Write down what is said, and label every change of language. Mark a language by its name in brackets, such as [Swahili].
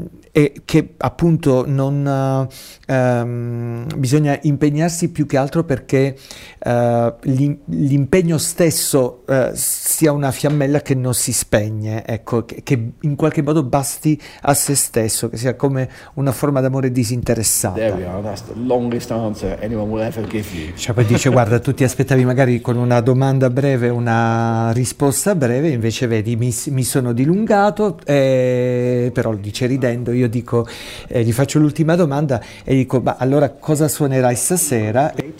[Italian] e che appunto non bisogna impegnarsi più che altro perché l'impegno stesso sia una fiammella che non si spegne, ecco, che in qualche modo basti a se stesso, che sia come una forma d'amore disinteressata. [English] There we are, that's the longest answer anyone will ever give you. [Italian] Cioè poi dice guarda, tu ti aspettavi magari con una domanda breve una risposta breve, invece vedi mi sono dilungato, però lo dice ridendo. Io dico, gli faccio l'ultima domanda e dico, ma allora cosa suonerai stasera?